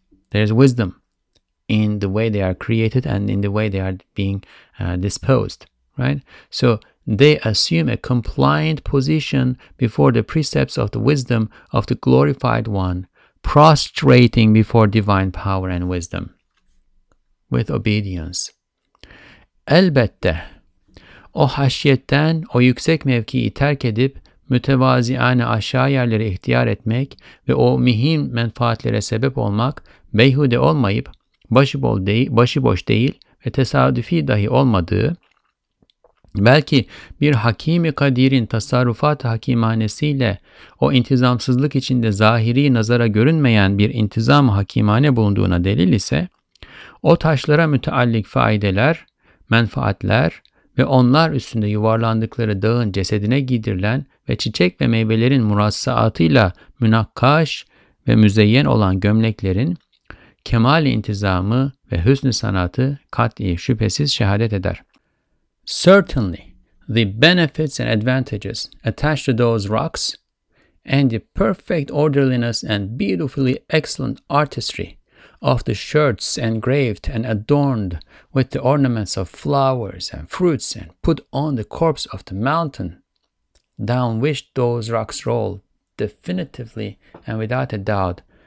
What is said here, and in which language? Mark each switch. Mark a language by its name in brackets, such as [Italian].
[English] There's wisdom in the way they are created and in the way they are being disposed, right? So they assume a compliant position before the precepts of the wisdom of the glorified one, prostrating before divine power and wisdom with obedience. [Turkish] Elbette, o haşyetten, o yüksek mevkiyi terk edip, mütevaziane aşağı yerlere ihtiyar etmek ve o mühim menfaatlere sebep olmak, beyhude olmayıp, başıboş değil ve tesadüfi dahi olmadığı, belki bir hakimi kadirin tasarrufat hakimanesiyle o intizamsızlık içinde zahiri nazara görünmeyen bir intizam hakimane bulunduğuna delil ise, o taşlara müteallik faideler, menfaatler ve onlar üstünde yuvarlandıkları dağın cesedine giydirilen ve çiçek ve meyvelerin murassaatıyla münakkaş ve müzeyyen olan gömleklerin kemal intizamı ve hüsn-i sanatı kat'i şüphesiz şehadet eder. [English] Certainly, the benefits and advantages attached to those rocks, and the perfect orderliness and beautifully excellent artistry of the shirts engraved and adorned with the ornaments of flowers and fruits and put on the corpse of the mountain down which those rocks roll, definitively and without a doubt